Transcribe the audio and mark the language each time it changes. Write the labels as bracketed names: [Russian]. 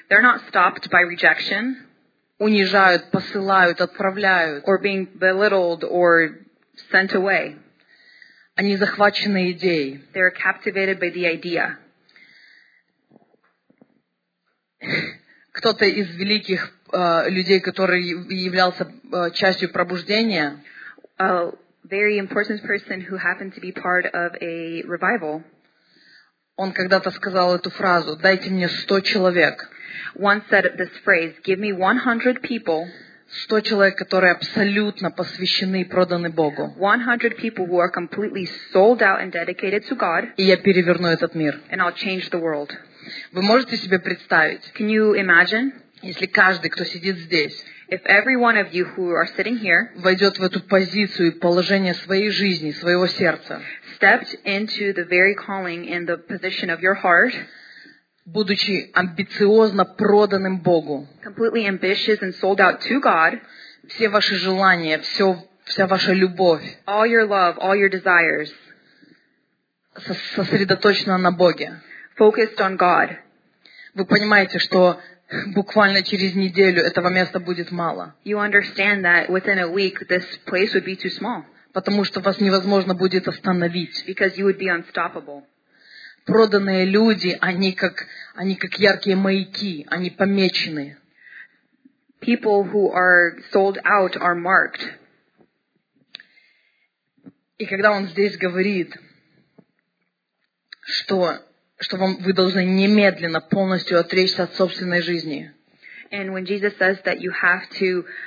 [English] They're not stopped by rejection. [Russian] Унижают, посылают, отправляют. [English] Or being belittled or sent away. [Russian] Они захвачены идеей. [English] They're captivated by the idea. [Russian] Кто-то из великих людей, который являлся частью пробуждения... [English] A very important person who happened to be part of a revival. [Russian] Он когда-то сказал эту фразу: «Дайте мне 100 человек». [English] Once said this phrase: «Give me 100 people». [Russian] 100 человек, которые абсолютно посвящены и проданы Богу. [English] 100 people who are completely sold out and dedicated to God. [Russian] И я переверну этот мир. [English] And I'll change the world. [Russian] Вы можете себе представить? [English] Can you imagine? [Russian] Если каждый, кто сидит здесь, [English] if every one of you who are sitting here [Russian] войдет в эту позицию и положение своей жизни, своего сердца, [English] stepped into the very calling in the position of your heart, [Russian] будучи амбициозно проданным Богу, [English] completely ambitious and sold out to God, [Russian] все ваши желания, вся ваша любовь, [English] all your love, all your desires, [Russian] сосредоточена на Боге, [English] focused on God, [Russian] вы понимаете, что буквально через неделю этого места будет мало. [English] You understand that within a week this place would be too small. [Russian] Потому что вас невозможно будет остановить. [English] Because you would be unstoppable. [Russian] Проданные люди, они как яркие маяки, они помечены. [English] People who are sold out are marked. [Russian] И когда он здесь говорит, что... что вам, вы должны немедленно полностью отречься от собственной жизни. [English] And when Jesus says that you have to...